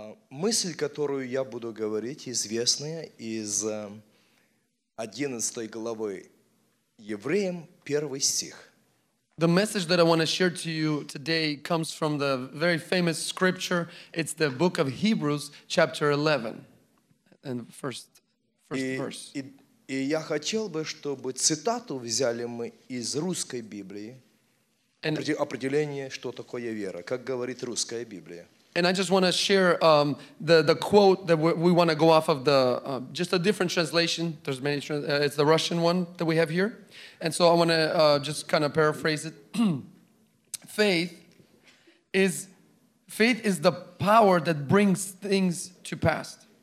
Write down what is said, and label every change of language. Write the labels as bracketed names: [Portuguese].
[Russian] Мысль, которую я буду говорить, известная из 11 главы Евреям, 1 стих. [English] The message that I want to share to you today comes from the very famous scripture. It's the book of Hebrews, chapter 11, and first verse. [Russian] И я хотел бы, чтобы цитату взяли мы из русской Библии, определение, что такое вера, как говорит русская Библия. [English] And I just want to share the quote that we want to go off of, just a different translation. There's many, it's the Russian one that we have here. And so I want to just kind of paraphrase it. Faith is the power that brings things to pass.